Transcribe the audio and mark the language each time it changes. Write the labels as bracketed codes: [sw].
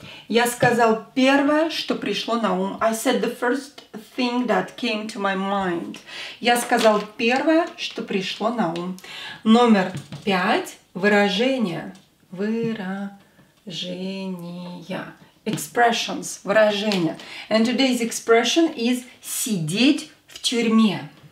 [ru] Я сказал первое, что пришло на ум. [en] I said the first thing that came to my mind. [ru] Я сказал первое, что пришло на ум. Номер 5. Выражение. Выражения. [en] Expressions. [ru] Выражения. [en] And today's expression is [ru] сидеть в тюрьме.